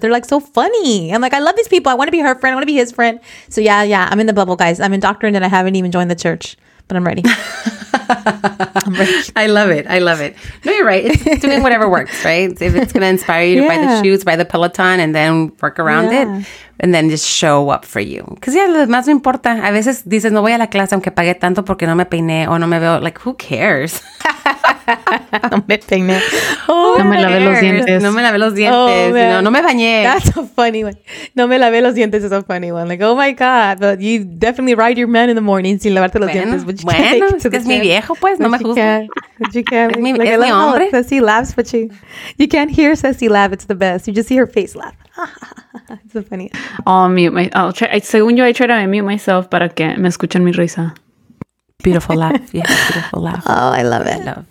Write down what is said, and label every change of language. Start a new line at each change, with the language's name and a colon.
English: They're like so funny. I'm like, I love these people. I want to be her friend. I want to be his friend. So yeah, I'm in the bubble, guys. I'm indoctrinated. I haven't even joined the church, but I'm ready. I'm ready. I love it. No, you're right. It's doing whatever works, right? If it's going to inspire you to buy the shoes, buy the Peloton, and then work around it. And then just show up for you. Because, yeah,
Spanish: lo demás no importa. A veces dices, no voy a la clase aunque pague tanto porque no me peiné o no me veo.
English: Like, who cares?
Spanish: No me peiné. No me lavé los dientes. No me lavé los dientes. Oh, no me bañé.
English: That's a funny one.
Spanish: No me lavé los dientes
English: is a funny one. Like, oh, my God. But you definitely ride your man in the morning
Spanish: sin lavarte los dientes. Which bueno, es que es mi viejo, pues. No me juzgues.
English: You can't. Like, Ceci laughs, but you can't hear Ceci laugh. It's the best. You just see her face laugh. It's so funny. I try to unmute myself
Spanish: para que me escuchen mi risa.
English: Beautiful laugh. Yeah, beautiful laugh. Oh, I love it.